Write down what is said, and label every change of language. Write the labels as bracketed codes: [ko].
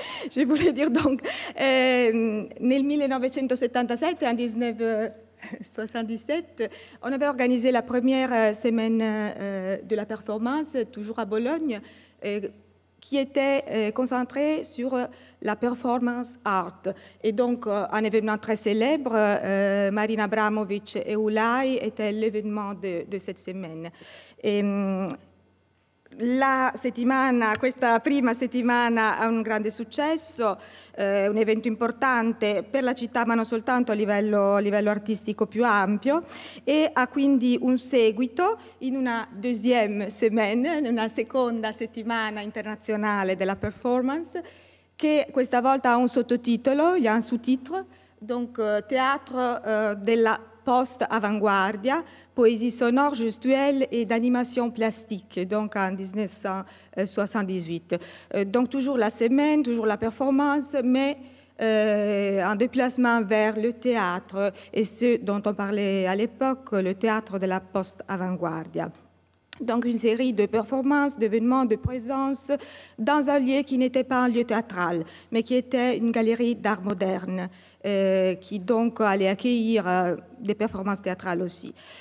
[fr] Je voulais dire donc, [it] nel 1977, [fr] en 1977, on avait organisé la première semaine de la performance, toujours à Bologne, qui était concentrée sur la performance art. Et donc, un événement très célèbre, Marina Abramović et Ulay étaient l'événement de cette semaine. [it] Et, la settimana, questa prima settimana ha un grande successo, un evento importante per la città, ma non soltanto a livello artistico più ampio, e ha quindi un seguito in una [fr] deuxième semaine, [it] in una seconda settimana internazionale della performance, che questa volta ha un sottotitolo, il [fr] sous-titre, donc Théâtre della post-avanguardia, poésie sonore, gestuelle et d'animation plastique, donc en 1978. Donc toujours la semaine, toujours la performance, mais un déplacement vers le théâtre et ce dont on parlait à l'époque, le théâtre de la post-avanguardia. Donc une série de performances, d'événements, de présences dans un lieu qui n'était pas un lieu théâtral, mais qui était une galerie d'art moderne, qui donc allait accueillir des performances théâtrales aussi.